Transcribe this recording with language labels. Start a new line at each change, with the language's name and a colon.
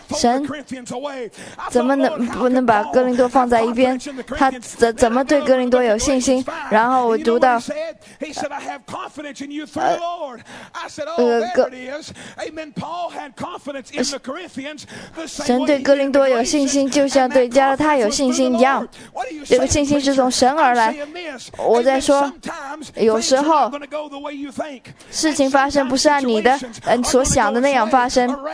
Chinese: 神怎么能把哥林多放在一边 他怎么对哥林多有信心 然后我读到
English: He said, I have confidence in you through the Lord. I said, oh, there it is. Amen. Paul had confidence in the Corinthians. The same
Chinese: 神对哥林多有信心, 就像对加拉太有信心一样。这个信心是从神而来。我在说, 有时候, 事情发生不是按你的, 所想的那样发生。